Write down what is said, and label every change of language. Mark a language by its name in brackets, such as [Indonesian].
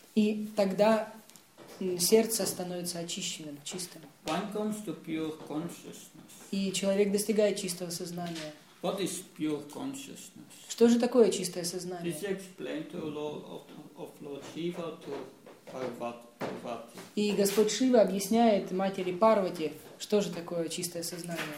[Russian] И тогда сердце становится очищенным, чистым. [English] One comes to pure consciousness. [Russian] И человек достигает чистого сознания. [English] What is pure consciousness? [Russian] Что же такое чистое сознание? [English] This is explained to Lord Shiva to Parvati. [Russian] И Господь Шива объясняет матери Парвати, что же такое чистое сознание.